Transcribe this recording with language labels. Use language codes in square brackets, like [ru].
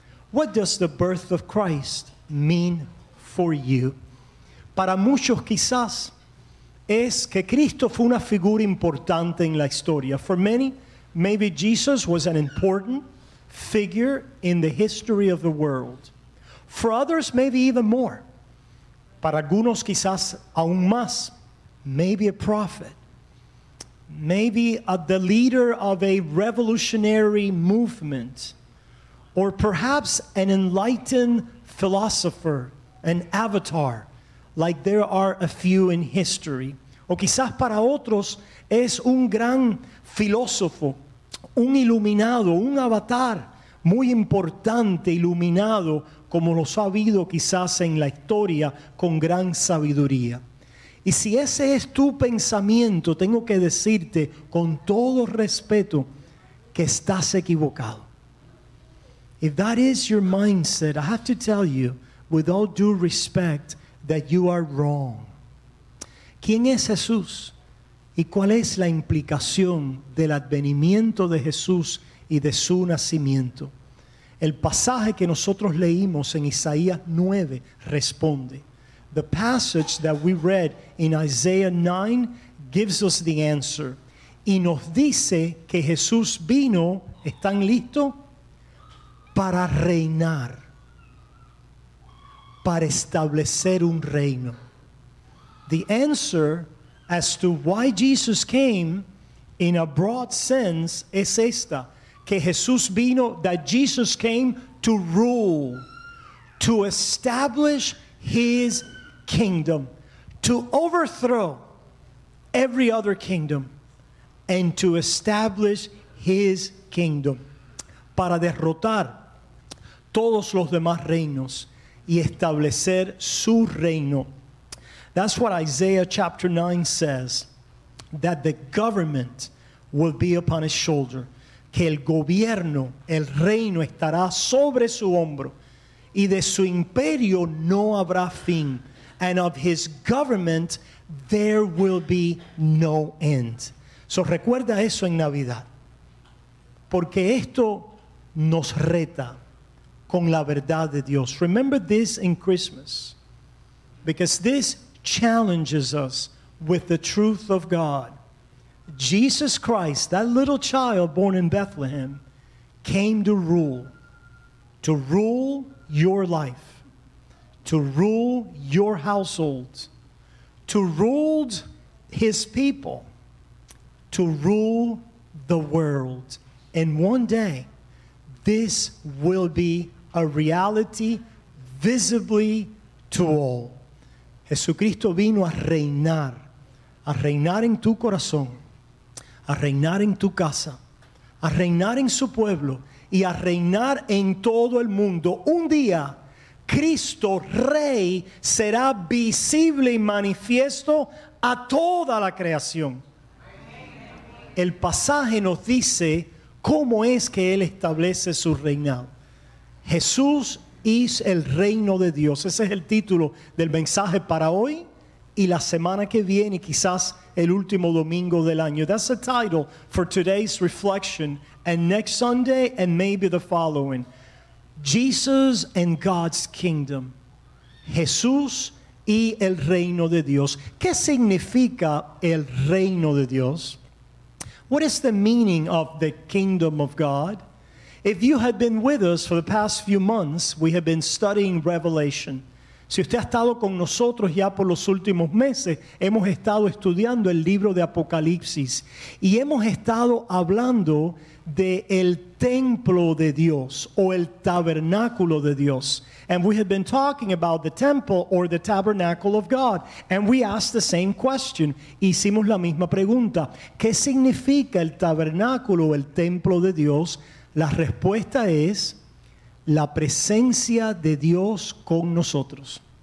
[en] What does the birth of Christ mean for you? [es] Para muchos quizás es que Cristo fue una figura importante en la historia. [en] For many, maybe Jesus was an important figure in the history of the world. For others, maybe even more. [es] Para algunos quizás aún más. [en] Maybe a prophet. Maybe the leader of a revolutionary movement. Or perhaps an enlightened philosopher, an avatar, like there are a few in history. [es] O quizás para otros es un gran filósofo, un iluminado, un avatar muy importante, iluminado, como lo ha habido quizás en la historia, con gran sabiduría. Y si ese es tu pensamiento, tengo que decirte con todo respeto que estás equivocado. [en] If that is your mindset, I have to tell you, with all due respect, that you are wrong. [es] ¿Quién es Jesús? ¿Y cuál es la implicación del advenimiento de Jesús y de su nacimiento? El pasaje que nosotros leímos en Isaías 9 responde. [en] The passage that we read in Isaiah 9 gives us the answer. [es] Y nos dice que Jesús vino, ¿están listos? Para reinar, para establecer un reino. [en] The answer as to why Jesus came, in a broad sense, [es] es esta. Que Jesús vino, [en] that Jesus came to rule, to establish his kingdom, to overthrow every other kingdom, and to establish his kingdom. [es] Para derrotar todos los demás reinos y establecer su reino. [en] That's what Isaiah chapter 9 says, that the government will be upon his shoulder. [es] Que el gobierno, el reino estará sobre su hombro y de su imperio no habrá fin. [en] And of his government there will be no end. So [es] recuerda eso en Navidad, porque esto nos reta con la verdad de Dios. [en] Remember this in Christmas, because this challenges us with the truth of God. Jesus Christ, that little child born in Bethlehem, came to rule your life, to rule your household, to rule his people, to rule the world. And one day, this will be a reality visibly to all. [es] Jesucristo vino a reinar en tu corazón, a reinar en tu casa, a reinar en su pueblo y a reinar en todo el mundo. Un día, Cristo Rey será visible y manifiesto a toda la creación. El pasaje nos dice cómo es que Él establece su reinado. Jesús es el reino de Dios. Ese es el título del mensaje para hoy y la semana que viene, quizás el último domingo del año. [en] That's the title for today's reflection, and next Sunday and maybe the following. Jesus and God's kingdom. [es] Jesús y el reino de Dios. ¿Qué significa el reino de Dios? [en] What is the meaning of the kingdom of God? If you have been with us for the past few months, we have been studying Revelation. [es] Si usted ha estado con nosotros ya por los últimos meses, hemos estado estudiando el libro de Apocalipsis. Y hemos estado hablando de el templo de Dios o el tabernáculo de Dios. [en] And we have been talking about the temple or the tabernacle of God. And we asked the same question. [es] Hicimos la misma pregunta. ¿Qué significa el tabernáculo o el templo de Dios? La respuesta es la presencia de Dios con nosotros.